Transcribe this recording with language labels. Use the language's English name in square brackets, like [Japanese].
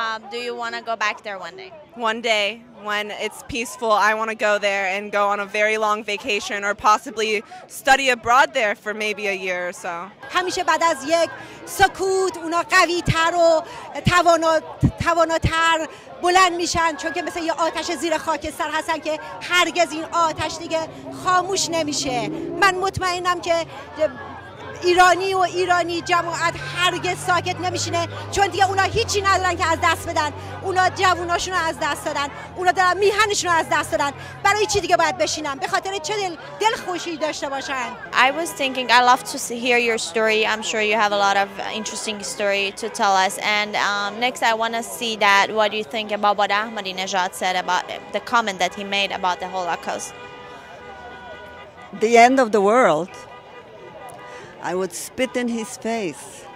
[English] Do you want to go back there one day? One day, when it's peaceful, I want to go there and go on a very long vacation or possibly study abroad there for maybe a year or so. [Persian] همیشه بعد از یک سکوت اونا قوی تر و تواناتر بلند میشن، چون که مثل یه آتش زیر خاکستر هستن که هرگز این آتش دیگه خاموش نمیشه. من مطمئنم که ایرانی و ایرانی جماعت هرگز ساکت نمیشینه، چون دیگه اونا هیچی ندارن که از دست بدن. اونا جووناشون رو از دست دادن، اونا دارن میهنشون رو از دست دادن. برای چی دیگه باید بشینن؟ به خاطر چه دل خوشی داشته باشن؟ [English] I was thinking, I'd love to hear your story. I'm sure you have a lot of interesting story to tell us. And next I want to see that what do you think about what Ahmadinejad said about the comment that he made about the Holocaust. The end of the world. I would spit in his face.